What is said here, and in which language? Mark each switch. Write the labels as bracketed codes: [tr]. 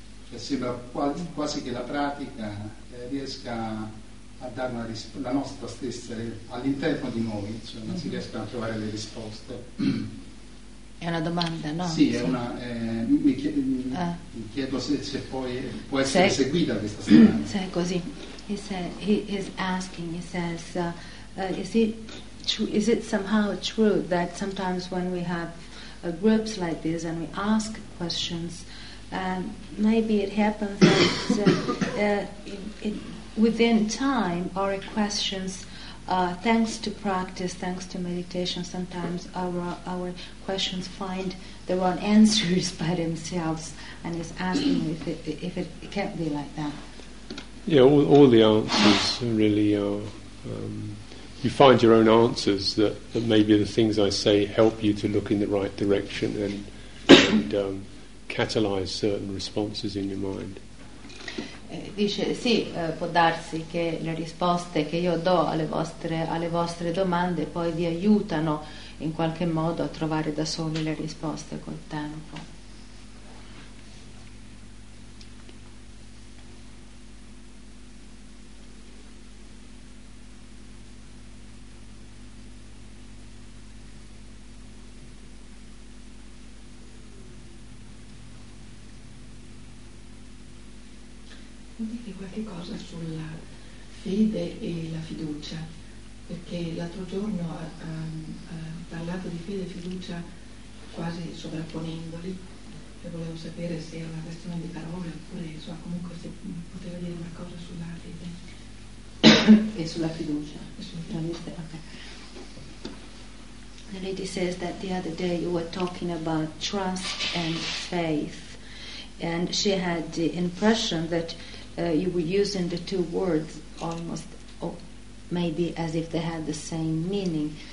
[it] Cioè sembra quasi che la pratica riesca a dare una la nostra stessa all'interno di noi, insomma, mm-hmm. Si riescono a trovare le risposte. È una domanda, no? Sì, è una. Mi chiedo se poi può essere seguita questa strada. Se è così. [en] He said, he is asking, he says, is it somehow true that sometimes when we have groups like this and we ask questions, maybe it happens that within time, our questions, thanks to practice, thanks to meditation, sometimes our questions find their own answers by themselves, and is asking if it can't be like that. Yeah, all the answers really are, you find your own answers that maybe the things I say help you to look in the right direction and catalyze certain responses in your mind. [it] Dice sì, può darsi che le risposte che io do alle vostre domande poi vi aiutano in qualche modo a trovare da soli le risposte col tempo. dire qualche cosa sulla fede e la fiducia, perché l'altro giorno ha parlato di fede e fiducia quasi sovrapponendoli, e volevo sapere se era una questione di parole oppure insomma, comunque se poteva dire qualcosa sulla fede e sulla fiducia. E sulla fiducia. [en] The lady says that the other day you were talking about trust and faith, and she had the impression that you were using the two words almost, or maybe as if they had the same meaning.